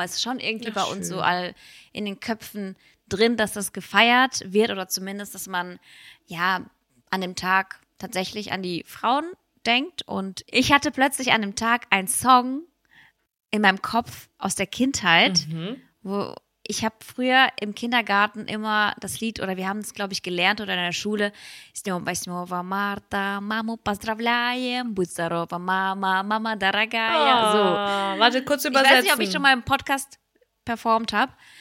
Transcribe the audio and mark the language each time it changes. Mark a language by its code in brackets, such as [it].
[de] Es ist schon irgendwie bei uns so all in den Köpfen drin, dass das gefeiert wird oder zumindest, dass man ja an dem Tag tatsächlich an die Frauen denkt. Und ich hatte plötzlich an dem Tag einen Song in meinem Kopf aus der Kindheit, wo ich habe früher im Kindergarten immer das Lied, oder wir haben es, glaube ich, gelernt, oder in der Schule. [ru] Снова Марта, маму поздравляем, будь здорова, мама, мама дорогая. [de] Oh, so. Warte, kurz übersetzen. Ich weiß nicht, ob ich schon mal im Podcast performt habe.